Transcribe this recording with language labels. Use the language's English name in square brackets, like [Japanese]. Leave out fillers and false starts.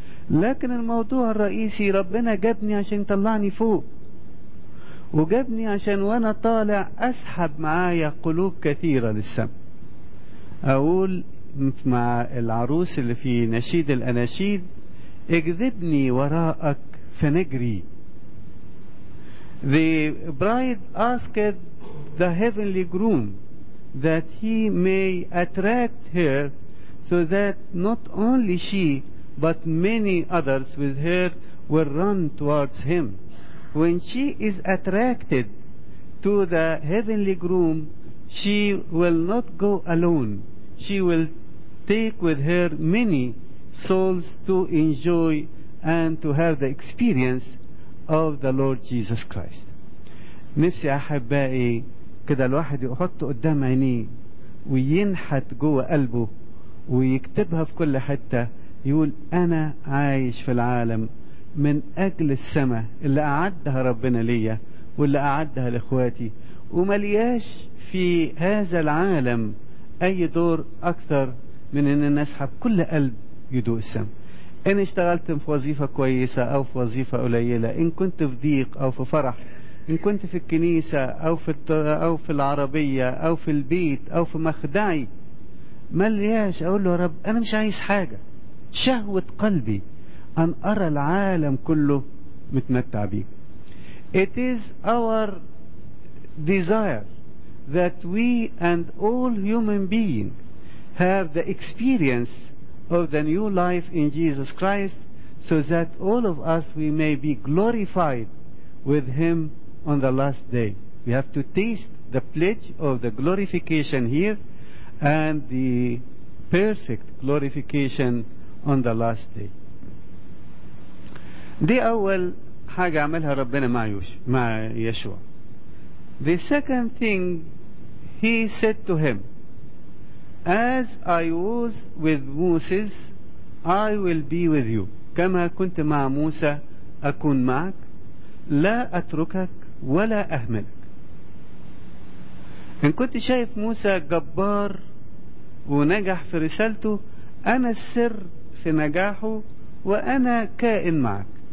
[Arabic] لكن الموضوع الرئيسي، ربنا جابني عشان يطلعني فوق، وجابني عشان وانا طالع اسحب معايا قلوب كثيرة للسماء. اقول مع العروس اللي في نشيد الاناشيد، اجذبني وراءك فنجري. [English] The bride asked the heavenly groom that he may attract her so that not only she but many others with her will run towards him. When she is attracted to the heavenly groom, she will not go alone. She will take with her many souls to enjoy and to have the experience of the Lord Jesus Christ. [Arabic] نفسي أحبائي كده الواحد يحط قدام عينيه وينحت جوه قلبه ويكتبها في كل حتة، يقول أنا عايش في العالم من أجل السماء اللي أعدها ربنا ليا واللي أعدها لإخواتي، وملياش في هذا العالم أي دور أكثر من أن نسحب كل قلب يدوق السماء. إن اشتغلت في وظيفة كويسة أو في وظيفة قليلة، إن كنت في ضيق أو في فرح، إن كنت في الكنيسة أو في العربية أو في البيت أو في مخدعي، ملياش أقول له رب أنا مش عايز حاجة، شهوة قلبي أن أرى العالم كله متمتع به. [English] It is our desire that we and all human beings have the experience of the new life in Jesus Christ so that all of us we may be glorified with him on the last day. We have to taste the pledge of the glorification here and the perfect glorification on the last day. [Arabic] دي أول حاجة عملها ربنا مع يشوع. [English] The second thing he said to him, as I was with Moses, I will be with you. [Arabic] كما كنت مع موسى أكون معك، لا أتركك ولا أهملك. إن كنت شايف موسى جبار ونجح في رسالته، أنا السر في نجاحه وأنا كائن معك.